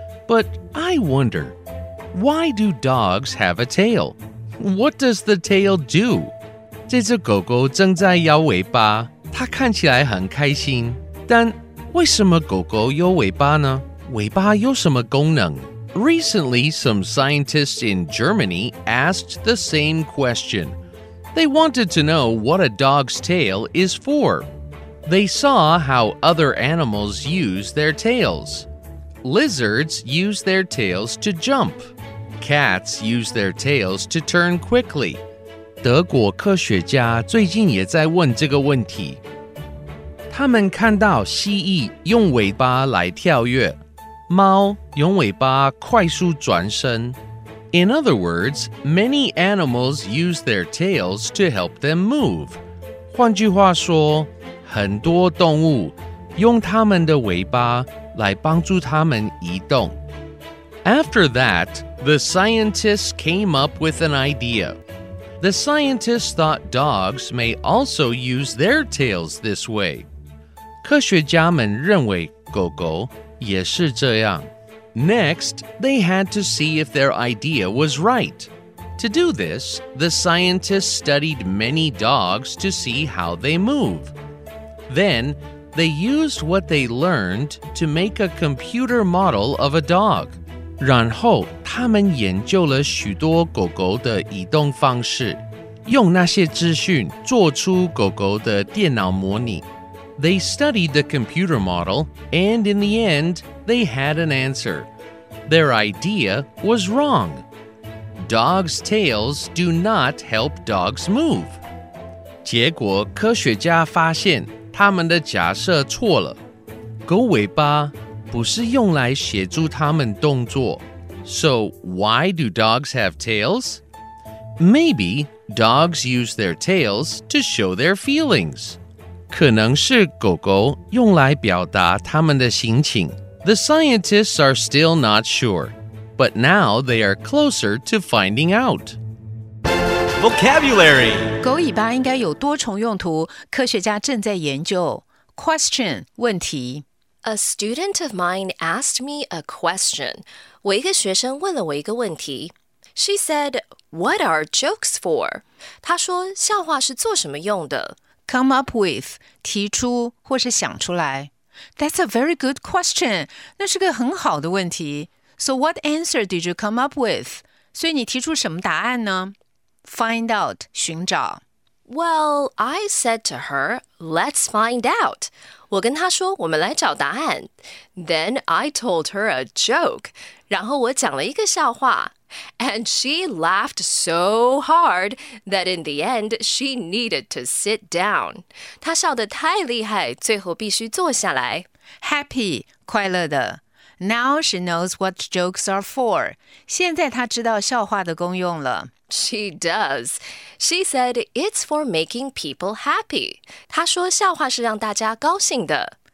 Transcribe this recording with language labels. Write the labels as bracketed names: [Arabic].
[English] But I wonder, why do dogs have a tail? What does the tail do? [Chinese] 这只狗狗正在摇尾巴，它看起来很开心。但为什么狗狗有尾巴呢？尾巴有什么功能？ [English] Recently, some scientists in Germany asked the same question. They wanted to know what a dog's tail is for. They saw how other animals use their tails. Lizards use their tails to jump. Cats use their tails to turn quickly. [Chinese] 德国科学家最近也在问这个问题。他们看到蜥蜴用尾巴来跳跃，猫用尾巴快速转身。 [English] In other words, many animals use their tails to help them move. [Chinese] 换句话说，很多动物用它们的尾巴来帮助它们移动。 [English] After that, the scientists came up with an idea. The scientists thought dogs may also use their tails this way. [Chinese] 科学家们认为狗狗也是这样。 [English] Next, they had to see if their idea was right. To do this, the scientists studied many dogs to see how they move. Then, they used what they learned to make a computer model of a dog. [Chinese] 然后，他们研究了许多狗狗的移动方式，用那些资讯做出狗狗的电脑模拟。 [English] They studied the computer model, and in the end, they had an answer. Their idea was wrong. Dogs' tails do not help dogs move. [Chinese] 结果科学家发现他们的假设错了。狗尾巴不是用来协助他们动作。 [English] So why do dogs have tails? Maybe dogs use their tails to show their feelings. [Chinese] 可能是狗狗用来表达他们的心情。 [English] The scientists are still not sure, but now they are closer to finding out. Vocabulary. [Chinese] 狗尾巴应该有多重用途，科学家正在研究。 [English] Question, 问题。 A student of mine asked me a question. [Chinese] 我一个学生问了我一个问题。 [English] She said, what are jokes for? [Chinese] 她说笑话是做什么用的？ [English] Come up with, [Chinese] 提出或是想出来。 [English] That's a very good question. [Chinese] 那是个很好的问题。 [English] So what answer did you come up with? [Chinese] 所以你提出什么答案呢? [English] Find out, 寻找。 Well, I said to her, let's find out. [Chinese] 我跟她说我们来找答案。 [English] Then I told her a joke. [Chinese] 然后我讲了一个笑话。 [English] And she laughed so hard that in the end, she needed to sit down. [Chinese] 她笑得太厉害,最后必须坐下来。 [English] Happy, 快乐的。Now she knows what jokes are for. [Chinese] 现在她知道笑话的功用了。 [English] She does. She said it's for making people happy. [Chinese] 她说笑话是让大家高兴的。